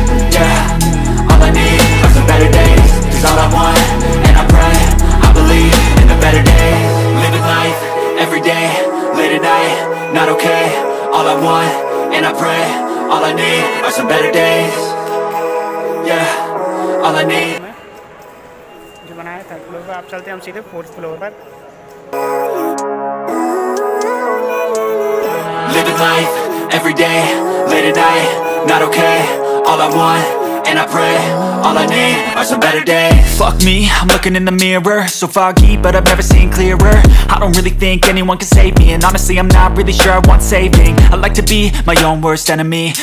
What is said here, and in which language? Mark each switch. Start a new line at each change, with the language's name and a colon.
English: Yeah, all I need are some better days. 'Cause all I want, and I pray, I believe in the better days. Living life, every day, late at night, not okay. All I want, and I pray, all I need are some better days. Yeah, all I need.
Hindi: Floor पर, आप चलते हैं हम सीधे fourth floor पर।
English: Living life every day, late at night, not okay, all I want. And I pray, all I need are some better days. Fuck me, I'm looking in the mirror. So foggy, but I've never seen clearer. I don't really think anyone can save me. And honestly, I'm not really sure I want saving. I like to be my own worst enemy.